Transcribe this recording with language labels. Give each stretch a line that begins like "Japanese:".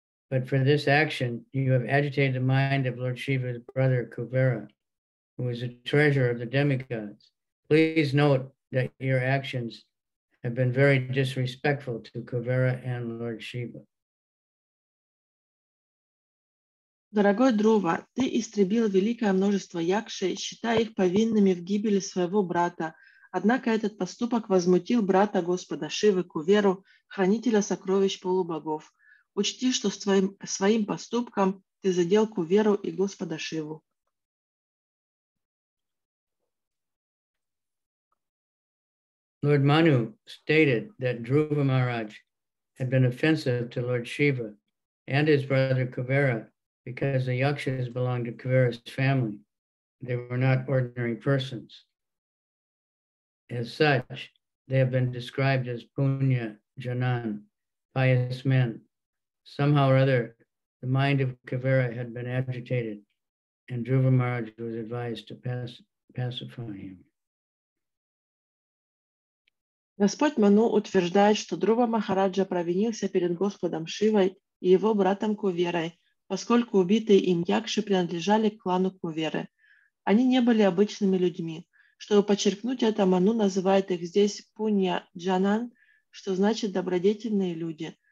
English: But for this action, you have agitated the mind of Lord Shiva's brother, Kuvera, who is a treasure of the demigods. Please note that your actions have been very disrespectful to Kuvera and Lord Shiva.
Russian: Дорогой Друва, ты истребил великое множество якши, считая их повинными в гибели своего брата. Однако этот поступок возмутил брата Господа Шивы, Куверу, хранителя сокровищ полубогов. Учти, что своим поступком ты задел Куверу и Господа Шиву.
English: Lord Manu stated that Dhruva Maharaj had been offensive to Lord Shiva and his brother Kuvera because the Yakshas belonged to Kuvera's family. They were not ordinary persons. As such, they have been described as Punya Janan, pious men. Somehow or other, the mind of Kuvera had been agitated, and Dhruva Maharaj was advised to pacify him.
Russian: Господь Ману утверждает, что Друва Махараджа провинился перед Господом Шивой и его братом Куверой, поскольку убитые им якши принадлежали к клану Куверы. Они не были обычными людьми. Чтобы подчеркнуть это, Ману называет их здесь Пунья Джанан, что значит «добродетельные люди».